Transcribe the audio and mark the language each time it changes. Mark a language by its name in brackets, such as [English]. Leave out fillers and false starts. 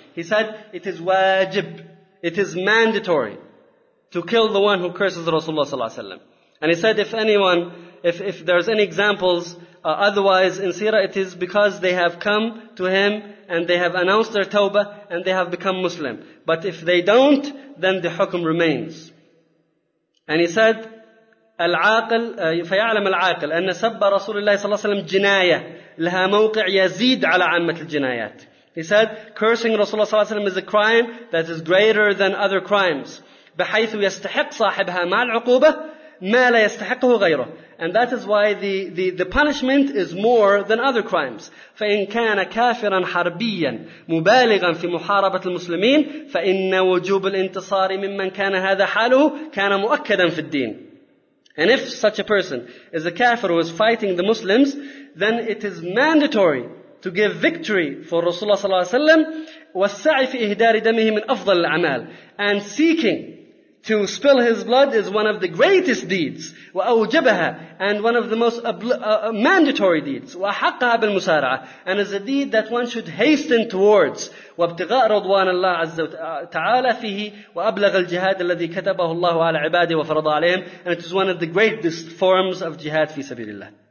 [English] He said, it is wajib, it is mandatory to kill the one who curses Rasulullah صلى الله عليه وسلم. And he said, if there's any examples otherwise in Sirah, it is because they have come to him and they have announced their tawbah and they have become Muslim. But if they don't, then the hukm remains. And he said, [Arabic] العاقل فيعلم العاقل أن سب رسول الله صلى الله عليه وسلم جناية لها موقع يزيد على عامة الجنايات. [English] He said, cursing Rasulullah صلى الله عليه وسلم is a crime that is greater than other crimes. [Arabic] بحيث يستحق صاحبها مع العقوبة ما لا يستحقه غيره. [English] And that is why the punishment is more than other crimes. [Arabic] فإن كان كافرا حربيا مبالغا في محاربة المسلمين فإن وجوب الانتصار ممن كان هذا حاله كان مؤكدا في الدين. [English] And if such a person is a kafir who is fighting the Muslims, then it is mandatory to give victory for Rasulullah sallallahu alaihi wasallam. [Arabic] وَالسَّعِ فِي إِهْدَارِ دَمِهِ مِنْ أَفْضَلِ الْعَمَالِ, [English] and seeking To spill his blood is one of the greatest deeds, [Arabic] وَأَوْجَبَهَا, [English] and one of the most mandatory deeds, [Arabic] وَحَقَّهَا بِالْمُسَارَعَةِ, [English] and is a deed that one should hasten towards, [Arabic] وَابْتِغَاءَ رَضْوَانَ اللَّهِ عَزَّ وَتَعَالَى فِيهِ وَأَبْلَغَ الْجِهَادَ الَّذِي كَتَبَهُ اللَّهُ عَلَى عِبَادِهِ وَفَرَضَ عَلَيْهِمْ, [English] and it is one of the greatest forms of jihad fi sabilillah.